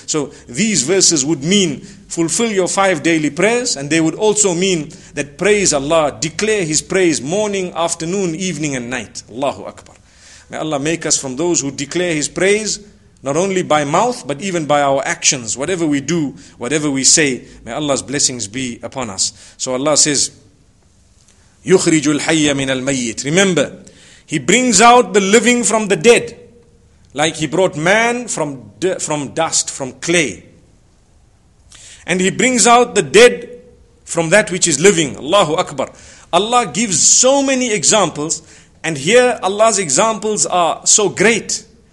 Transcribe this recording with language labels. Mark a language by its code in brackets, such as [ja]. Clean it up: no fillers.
[en] So these verses would mean fulfill your five daily prayers, and they would also mean that praise Allah, declare His praise morning, afternoon, evening and night. Allahu Akbar. May Allah make us from those who declare His praise, not only by mouth, but even by our actions. Whatever we do, whatever we say, may Allah's blessings be upon us. [ar] So Allah says, يُخْرِجُ الْحَيَّ مِنَ الْمَيِّتِ. [en] Remember, He brings out the living from the dead, like He brought man from dust, from clay. And He brings out the dead from that which is living. Allahu Akbar. Allah gives so many examples, and here Allah's examples are so great.